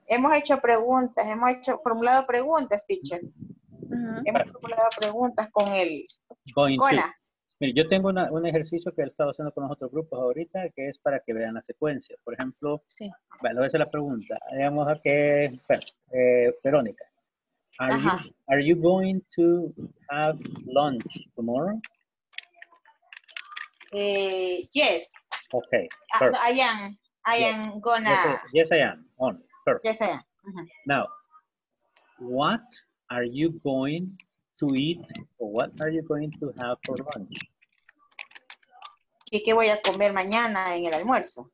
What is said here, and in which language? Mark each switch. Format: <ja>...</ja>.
<es>Hemos formulado preguntas, teacher. Uh-huh. Hemos formulado preguntas con el</es> <en>going</en> <es>con</es> <en>to.</en> <es>La Mire, yo tengo un ejercicio que he estado haciendo con los otros grupos ahorita, que es para que vean la secuencia. Por ejemplo, sí. Bueno, esa es la pregunta. Digamos que,</es> <en>Verónica, are you going to have lunch tomorrow? Yes. Okay. I am. Uh-huh. Now, what are you going to eat or what are you going to have for lunch?</en> <es>¿Qué voy a comer mañana en el almuerzo?</es>